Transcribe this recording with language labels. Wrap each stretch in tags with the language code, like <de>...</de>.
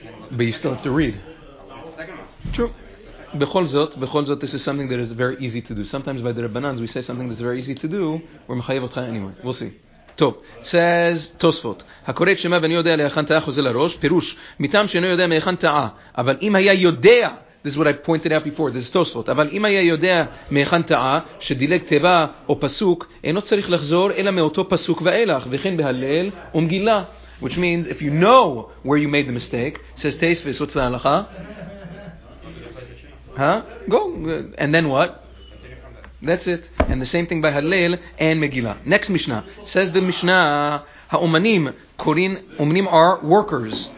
<en>But you still have to read. True.</en> <he>Bechol zot,</he> <en>this is something that is very easy to do. Sometimes by the Rabbanans, we say something that's very easy to do, we're</en> <he>mechayev otcha</he> <en>anyway. We'll see.</en> <he>טוב, says Tosfot, הקורא את שמה ואני יודע להיכן טעה חוזר לראש, פירוש, מטעם שאינו יודע מהיכן טעה, אבל אם היה יודע,</he> <en>this is what I pointed out before, this is Tosfot,</en> <he>אבל אם היה יודע מהיכן טעה, שדילג תיבה או פסוק, אינו צריך לחזור אלא מאותו פסוק ואילך, וכן בהלל ומגילה.</he> <en>Which means, if you know where you made the mistake, says Tosfot, what's the הלכה? Go, and then what? That's it. And the same thing by Hallel and Megillah. Next Mishnah. Says the Mishnah,</en> <he>Ha'umanim, Korin,</he> <en>Umanim are workers.</en>